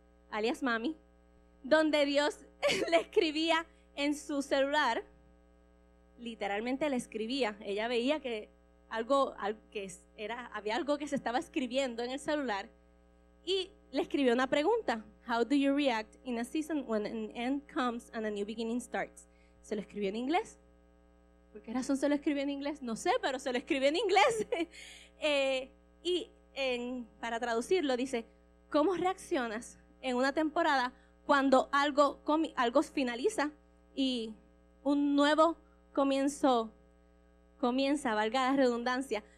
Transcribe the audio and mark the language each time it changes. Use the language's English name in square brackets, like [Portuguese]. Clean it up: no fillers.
[Spanish] alias mami, donde Dios le escribía en su celular, literalmente le escribía. Ella veía que había algo que se estaba escribiendo en el celular y le escribió una pregunta. [English] How do you react in a season when an end comes and a new beginning starts? [Spanish] Se lo escribió en inglés. ¿Por qué razón se lo escribió en inglés? No sé, pero se lo escribió en inglés. Para traducirlo dice, ¿cómo reaccionas en una temporada cuando algo finaliza y un nuevo comienza, valga la redundancia?